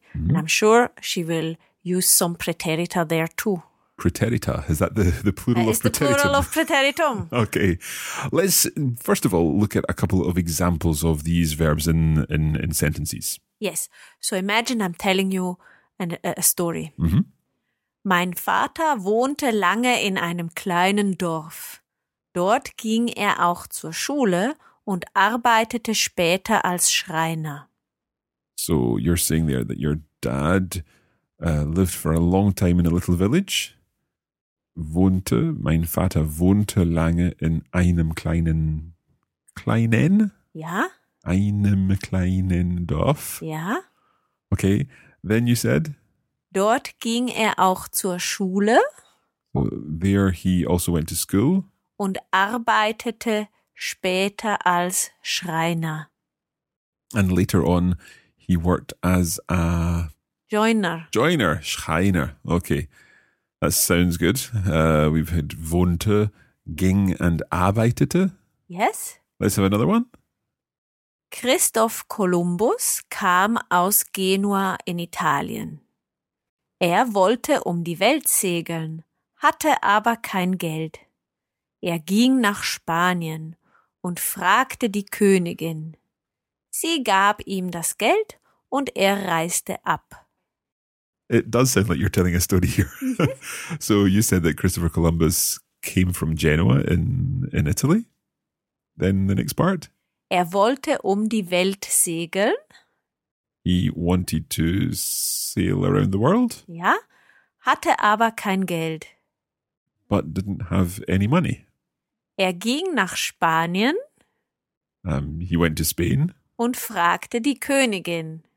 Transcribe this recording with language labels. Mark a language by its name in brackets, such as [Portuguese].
[English] Mm-hmm. And I'm sure she will use some preterita there too. Preterita, is that the plural of preteritum? It's the plural of preteritum. Okay. Let's, first of all, look at a couple of examples of these verbs in sentences. Yes. So imagine I'm telling you a story. Mm-hmm. [German] Mein Vater wohnte lange in einem kleinen Dorf. Dort ging er auch zur Schule und arbeitete später als Schreiner. [English] So you're saying there that your dad lived for a long time in a little village? [German] Wohnte, mein Vater wohnte lange in einem kleinen? Ja. Einem kleinen Dorf? Ja. [English] Okay, then you said? [German] Dort ging er auch zur Schule. [English] So there he also went to school. [German] Und arbeitete später als Schreiner. [English] And later on, He worked as a... Joiner. Schreiner. Okay. That sounds good. We've had wohnte, ging and arbeitete. Yes. Let's have another one. [German] Christoph Kolumbus kam aus Genua in Italien. Er wollte um die Welt segeln, hatte aber kein Geld. Er ging nach Spanien und fragte die Königin. Sie gab ihm das Geld und er reiste ab. [English] It does sound like you're telling a story here. So you said that Christopher Columbus came from Genoa in Italy. Then the next part. [German] Er wollte um die Welt segeln. [English] He wanted to sail around the world. [German] Ja, hatte aber kein Geld. [English] But didn't have any money. [German] Er ging nach Spanien. [English] He went to Spain. [German] Und fragte die Königin.